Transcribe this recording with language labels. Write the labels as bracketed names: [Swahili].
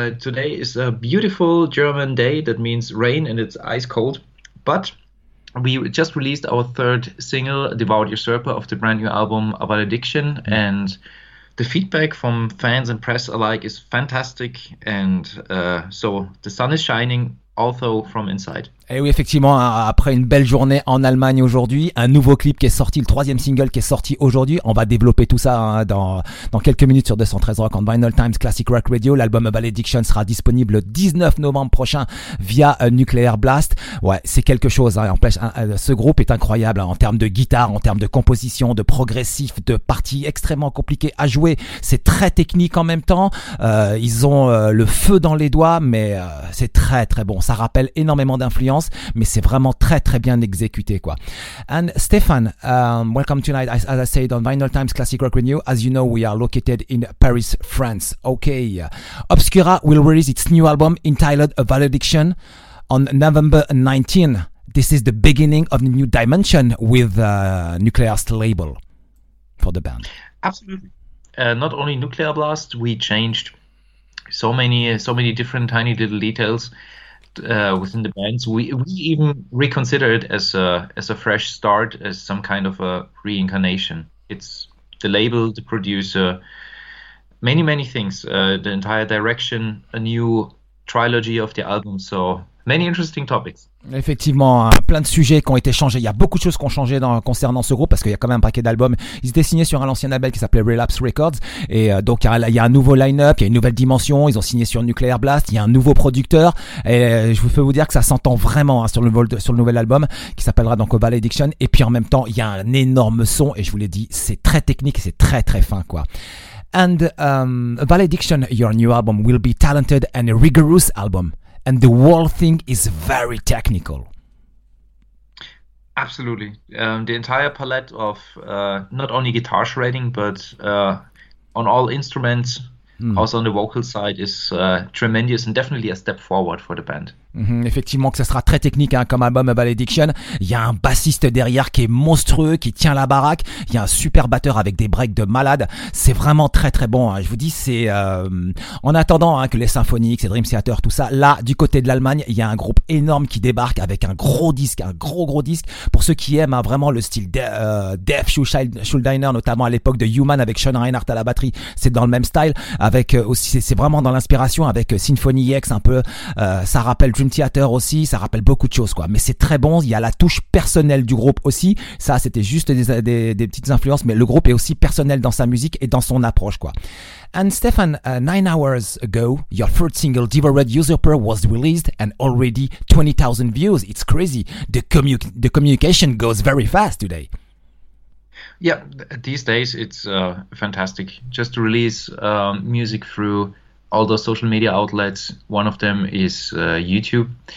[English] Today is a beautiful German day that means rain and it's ice cold. But we just released our third single, Devout Usurper, of the brand new album, Avant Addiction. And the feedback from fans and press alike is fantastic. And so the sun is shining. Also from inside. [French] Et oui, effectivement, après une belle journée en Allemagne aujourd'hui, un nouveau clip qui est sorti, le troisième single qui est sorti aujourd'hui. On va développer tout ça hein, dans quelques minutes sur 213 Rock on Vinyl Times Classic Rock Radio. L'album Valediction sera disponible le 19 novembre prochain via Nuclear Blast. Ouais, c'est quelque chose. Hein, en plus, ce groupe est incroyable hein, en termes de guitare, en termes de composition, de progressif, de parties extrêmement compliquées à jouer. C'est très technique en même temps. Ils ont le feu dans les doigts, mais c'est très très bon. Ça rappelle énormément d'influence, mais c'est vraiment très très bien exécuté quoi. [English] And Stefan, welcome tonight. As I said on Vinyl Times Classic Rock Renew, as you know, we are located in Paris, France. Okay. Obscura will release its new album entitled A Valediction on November 19. This is the beginning of the new dimension with Nuclear Blast label for the band. Absolutely. Not only Nuclear Blast, we changed so many different tiny little details. Within the bands, we even reconsider it as a fresh start, as some kind of a reincarnation. It's the label, the producer, many things, the entire direction, a new trilogy of the album. So many interesting topics. [French] Effectivement, hein, plein de sujets qui ont été changés. Il y a beaucoup de choses qui ont changé concernant ce groupe parce qu'il y a quand même un paquet d'albums. Ils étaient signés sur un ancien label qui s'appelait Relapse Records. Et donc, il y a un nouveau line-up, il y a une nouvelle dimension. Ils ont signé sur Nuclear Blast. Il y a un nouveau producteur. Et je peux vous dire que ça s'entend vraiment hein, sur le nouvel album qui s'appellera donc Valediction. Et puis, en même temps, il y a un énorme son. Et je vous l'ai dit, c'est très technique et c'est très, très fin, quoi. [English] And Valediction, your new album, will be talented and a rigorous album. And the whole thing is very technical. Absolutely. The entire palette of not only guitar shredding, but on all instruments, also on the vocal side, is tremendous and definitely a step forward for the band. [French] Effectivement que ça sera très technique hein, comme album Valediction. Il y a un bassiste derrière qui est monstrueux, qui tient la baraque. Il y a un super batteur avec des breaks de malade. C'est vraiment très très bon hein. Je vous dis c'est en attendant hein, que les symphoniques, les Dream Theater, tout ça. Là du côté de l'Allemagne il y a un groupe énorme qui débarque avec un gros disque, un gros disque. Pour ceux qui aiment hein, vraiment le style Death Schuldiner, notamment à l'époque de Human avec Sean Reinhardt à la batterie. C'est dans le même style avec aussi c'est vraiment dans l'inspiration avec Symphony X un peu ça rappelle Dream Theater aussi, ça rappelle beaucoup de choses quoi. Mais c'est très bon, il y a la touche personnelle du groupe aussi. Ça c'était juste des petites influences, mais le groupe est aussi personnel dans sa musique et dans son approche quoi. [English] And Stefan, 9 hours ago, your third single Devoured Usurper was released and already 20,000 views. It's crazy. The communication goes very fast today. Yeah, these days it's fantastic. Just to release music through all the social media outlets, one of them is YouTube.